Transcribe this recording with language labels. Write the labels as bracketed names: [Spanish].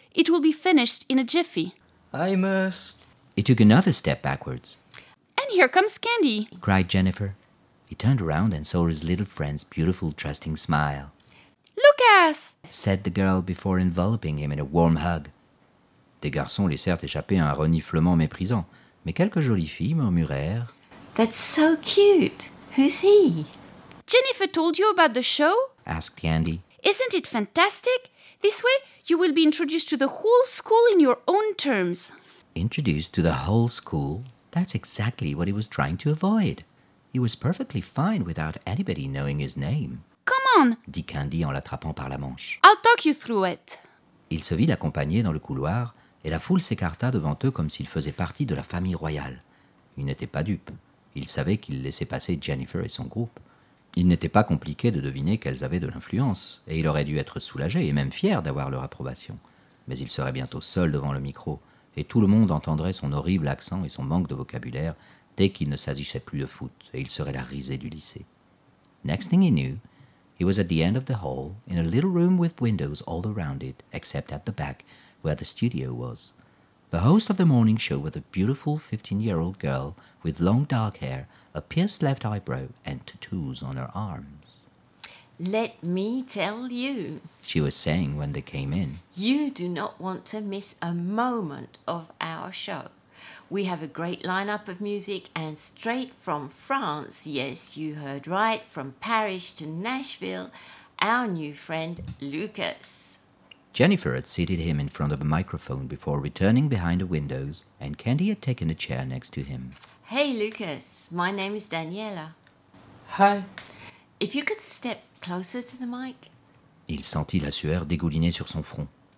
[English] It will be finished in a jiffy. I must... He took another step backwards. And here comes Candy, cried Jennifer. He turned around and saw his little friend's beautiful, trusting smile. Lucas! Said the girl before enveloping him in a warm hug. [French] Des garçons laissèrent échapper un reniflement méprisant, mais quelques jolies filles murmurèrent. [English] That's so cute! Who's he? Jennifer told you about the show? Asked Candy. Isn't it fantastic? This way, you will be introduced to the whole school in your own terms. Introduced to the whole school? That's exactly what he was trying to avoid. He was perfectly fine without anybody knowing his name. Come on, [French] dit Candy en l'attrapant par la manche. [English] I'll talk you through it. [French] Il se vit l'accompagner dans le couloir et la foule s'écarta devant eux comme s'il faisait partie de la famille royale. Il n'était pas dupe. Il savait qu'il laissait passer Jennifer et son groupe. Il n'était pas compliqué de deviner qu'elles avaient de l'influence et il aurait dû être soulagé et même fier d'avoir leur approbation. Mais il serait bientôt seul devant le micro. Et tout le monde entendrait son horrible accent et son manque de vocabulaire dès qu'il ne s'agissait plus de foot, et il serait la risée du lycée. [English] Next thing he knew, he was at the end of the hall, in a little room with windows all around it, except at the back, where the studio was. The host of the morning show was a beautiful 15-year-old girl with long dark hair, a pierced left eyebrow, and tattoos on her arms. Let me tell you, she was saying when they came in. You do not want to miss a moment of our show. We have a great lineup of music and straight from France, yes, you heard right, from Paris to Nashville, our new friend Lucas. Jennifer had seated him in front of a microphone before returning behind the windows, and Candy had taken a chair next to him. Hey, Lucas, my name is Daniela. Hi. If you could step closer to the mic. [French] Il sentit la sueur dégouliner sur son front.